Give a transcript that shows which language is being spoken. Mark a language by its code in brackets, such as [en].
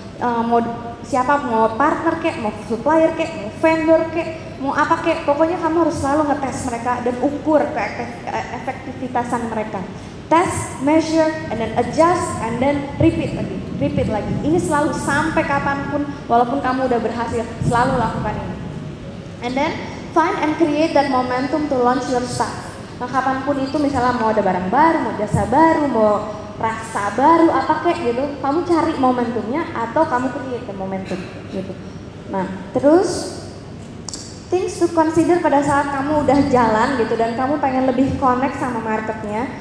[id] Mau partner kek, mau supplier kek, mau vendor kek, mau apa kek, pokoknya kamu harus selalu ngetes mereka dan ukur efektivitasan mereka. [en] Test, measure, and then adjust, and then repeat [id] lagi. Ini selalu sampai kapanpun, walaupun kamu udah berhasil, selalu lakukan ini. [en] And then find and create that momentum to launch your stuff. [id] Nah, kapanpun itu misalnya mau ada barang baru, mau jasa baru, mau rasa baru apa kayak gitu, kamu cari momentumnya atau kamu [en] create momentum [id] gitu. Nah terus [en] things to consider [id] pada saat kamu udah jalan gitu dan kamu pengen lebih connect sama marketnya.